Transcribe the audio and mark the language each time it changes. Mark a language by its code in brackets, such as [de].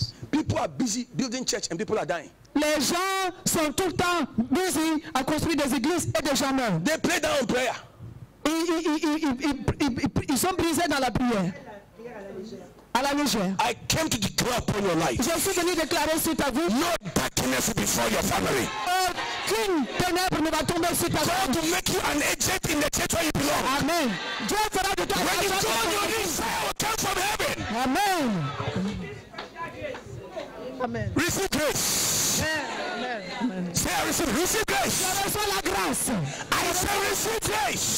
[en] People are busy building church and people are dying. [fr] Les gens sont tout le temps busy à construire des églises et des gens meurent. [en] They play down prayer. [fr] Ils sont brisés dans la prière. À la légère. [en] I came to declare upon your life. [fr] Je suis venu déclarer sur ta vie. [en] No darkness before your family. [fr] Aucune ténèbre ne va tomber sur ta vie. [en] God will make you an agent in the church where you belong. [fr] Amen. Dieu fera de toi. [en] When you call your name, fire will come from heaven. Amen. Amen. Receive grace. Amen. Amen. Say, receive grace. [fr] Je reçois la grâce. [en] I say, receive grace.